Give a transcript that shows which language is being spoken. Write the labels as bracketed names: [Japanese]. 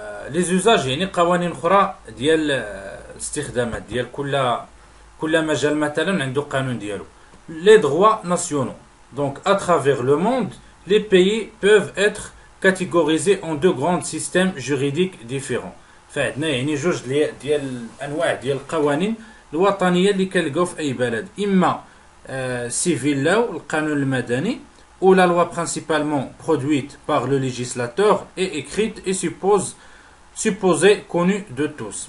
[French] Les usages, [Arabic] يعني قوانين أخرى ديال الاستخدامات ديال كل مجال مثلا عنده قانون ديالو. [French] Les droits nationaux. Donc, à travers le monde, les pays peuvent être catégorisés en deux grands systèmes juridiques différents. [Arabic] فعندنا يعني جوج ديال الأنواع ديال القوانين الوطنية اللي كنلقاو في أي بلد. إما سيفيل لو القانون المدني [French] où la loi principalement produite par le législateur est écrite et supposée connue de tous.